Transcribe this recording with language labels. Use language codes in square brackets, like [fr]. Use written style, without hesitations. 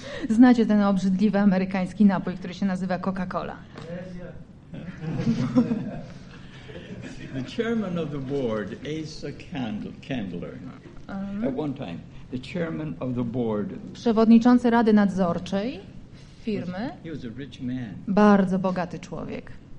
[pl] Znacie ten obrzydliwy amerykański napój, który się nazywa Coca-Cola. [en] The chairman of the board, Asa Candler. At one time, the chairman of the board. [pl] Przewodniczący rady nadzorczej firmy. [en] He was a rich man. [pl] Bardzo bogaty człowiek.